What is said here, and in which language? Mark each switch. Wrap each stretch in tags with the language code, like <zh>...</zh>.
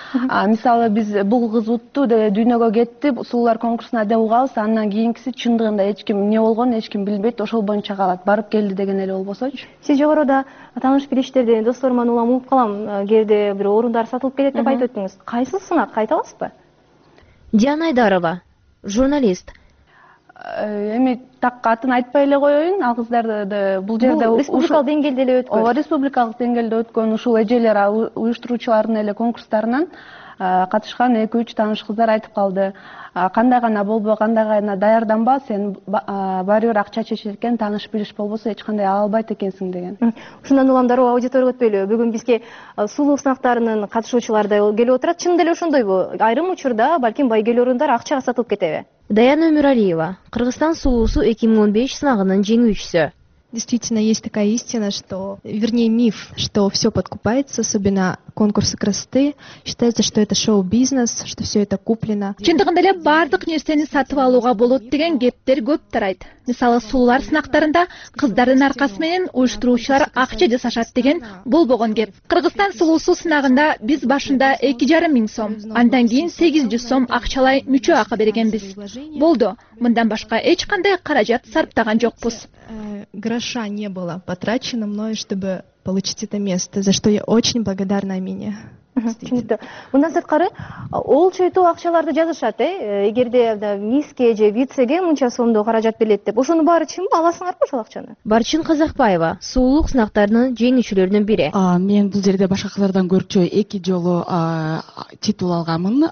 <ky>Мисалы биз бул кыз утту деп дүйнөгө кетти, сулуулар конкурсуна деп угабыз, андан кийинкиси чындыгында эч ким эмне болгонун эч ким билбейт, ошол боюнча калат, барып келди деген эле болбосочу. Сиз жогоруда тааныш билиштерди, досторуман улам угуп калам, кээде бир орундар сатылып кетет деп айтып өттүңүз. Кайсыл сынак айта аласызбы? Диана Айдарова, журналист. Эми так атын айтпай эле коеюн, ал кыздарды бул жерде республикалык деңгээлде эле өткөн. Ооба, республикалык деңгээлде өткөн ушул эжелер уюштуруучулардын эле конкурстарынан катышкан 2-3 тааныш кыздар айтып калды. Кандай гана болбо, кандай гана даярданба, сен баары бир акча чечет экен, тааныш билиш болбосо эч кандай ала албайт экенсиң деген. Ушундан улам дароо аудиторияга өтпөйлү. Бүгүн бизге сулуу сынактарынын катышуучулары да келип отурат. Чынында эле ошондойбу? Айрым учурда балким байкелер орундар акчага сатылып кетеби? Даяна Өмүралиева, Кыргызстан сулуусу 2015 сынагынын жеңүүчүсү.</ky> <ru>Действительно, есть такая истина, что, вернее, миф, что все подкупается, особенно конкурсы красоты. Считается, что это шоу-бизнес, что все это куплено.</ru> <ky>Чындыгында эле бардык нерсени сатып алууга болот деген кептер көп тарайт. Мисалы, сулуулар сынактарында кыздардын аркасы менен уюштуруучулар акча жасашат деген болбогон кеп. Кыргызстан сулуусу сынагында биз башында 2,500 сом, андан кийин 800 сом акчалай мүчө акы бергенбиз. Болду, мындан башка эч кандай каражат сарптаган жокпуз.</ky> <ru>Гроша не было потрачено мною, чтобы получить это место, за что я очень благодарна Амине.</ru> <ky>Түшүнүктүү. Мындан сырткары олчойтуу акчаларды жазышат э, эгерде мисске же вицеге мынча сомдо каражат берилет деп. Ошонун баары чынбы? Аласыңарбы ошол акчаны? Барчын Казакбаева сулуулук сынактарынын жеңүүчүлөрүнүн бири. Мен бул жерде башка кыздардан көрчө 2 жолу титул алганмын.</ky>